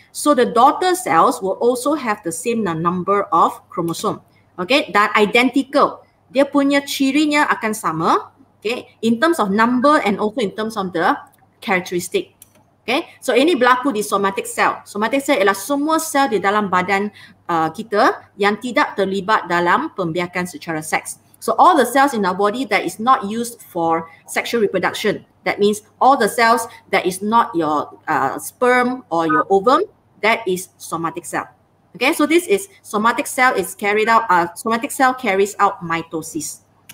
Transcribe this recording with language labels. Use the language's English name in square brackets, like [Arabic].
[English] So the daughter cells will also have the same number of chromosome. Okay, dan identical. [Malay] Dia punya cirinya akan sama, [English] okay, in terms of number and also in terms of the characteristic. [Malay] Okay, so ini berlaku di somatic cell. Somatic cell ialah semua sel di dalam badan kita yang tidak terlibat dalam pembiakan secara seks. [English] So all the cells in our body that is not used for sexual reproduction, that means all the cells that is not your sperm or your ovum, that is somatic cell. Okay, so this is somatic cell is carried out, somatic cell carries out mitosis.